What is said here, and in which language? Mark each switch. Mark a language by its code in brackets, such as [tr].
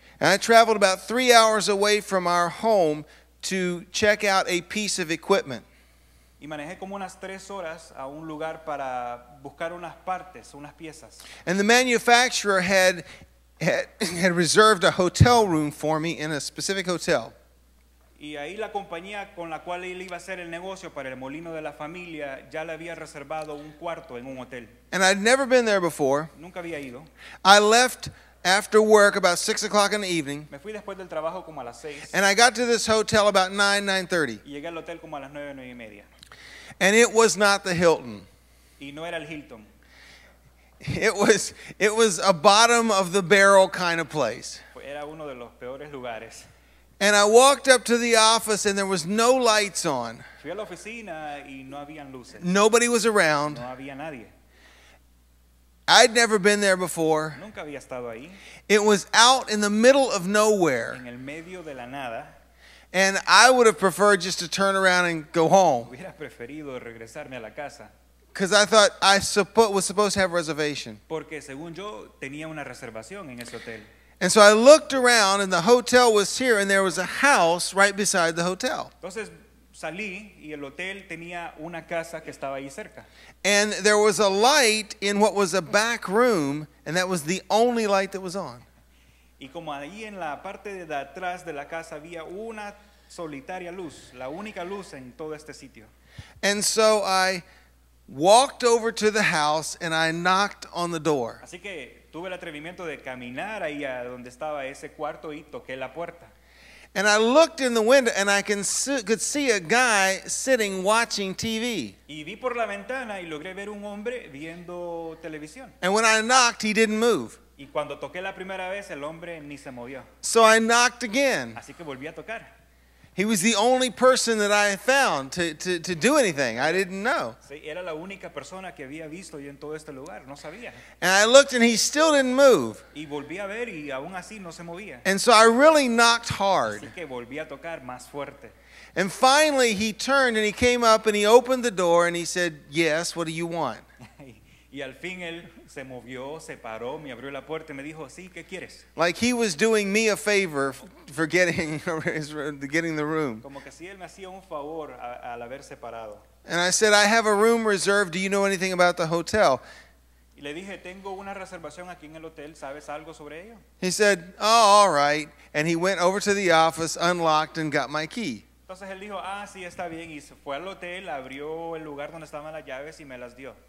[en] And I traveled about 3 hours away from our home to check out a piece of equipment. [es] Y manejé como unas 3 horas a un lugar para buscar unas partes, unas piezas. [en] And the manufacturer had reserved a hotel room for me in a specific hotel. [es] Y ahí la compañía con la cual él iba a hacer el negocio para el molino de la familia ya le había reservado un cuarto en un hotel. [en] And I'd never been there before. [es] Nunca había ido. [en] I left after work about 6 o'clock in the evening. [es] Me fui después del trabajo como a las 6. [en] And I got to this hotel about 9:30. [es] Y llegué al hotel como a las 9:30. [en] And it was not the Hilton. [es] Y no era el Hilton. [en] It was a bottom of the barrel kind of place. [es] Era uno de los peores lugares. [en] And I walked up to the office and there was no lights on. [es] Fui a la oficina y no habían luces. [en] Nobody was around. [es] No había nadie. [en] I'd never been there before. [es] Nunca había estado ahí. [en] It was out in the middle of nowhere. [es] En el medio de la nada. [en] And I would have preferred just to turn around and go home. [es] Hubiera preferido regresarme a la casa. [en] Because I thought I was supposed to have a reservation. [es] Porque según yo tenía una reservación en ese hotel. [en] And so I looked around, and the hotel was here, and there was a house right beside the hotel. [es] Entonces salí, y el hotel tenía una casa que estaba ahí cerca. [en] And there was a light in what was a back room, and that was the only light that was on. [es] Y como ahí en la parte de atrás de la casa había una solitaria luz, la única luz en todo este sitio. [en] And so I walked over to the house, and I knocked on the door. [es] Así que tuve el atrevimiento de caminar ahí a donde estaba ese cuarto y toqué la puerta. [en] And I looked in the window and I could see a guy sitting watching TV. [es] Y vi por la ventana y logré ver un hombre viendo televisión. [en] And when I knocked, he didn't move. [es] Y cuando toqué la primera vez, el hombre ni se movió. [en] So I knocked again. [es] Así que volví a tocar. [en] He was the only person that I found to do anything. I didn't know. [es] Era la única persona que había visto yo en todo este lugar. No sabía. [en] And I looked and he still didn't move. [es] Y volví a ver y aún así no se movía. [en] And so I really knocked hard. [es] Así que volví a tocar más fuerte. [en] And finally he turned and he came up and he opened the door and he said, yes, what do you want? [es] Y al fin él se movió, se paró, me abrió la puerta y me dijo, sí, ¿qué quieres? [en] Like he was doing me a favor for getting the room. [es] Como que si él me hacía un favor al haber separado. [en] And I said, I have a room reserved. Do you know anything about the hotel? [es] Y le dije, tengo una reservación aquí en el hotel. ¿Sabes algo sobre ello? [en] He said, oh, all right. And he went over to the office, unlocked, and got my key. [es] Entonces él dijo, ah, sí, está bien. Y se fue al hotel, abrió el lugar donde estaban las llaves y me las dio.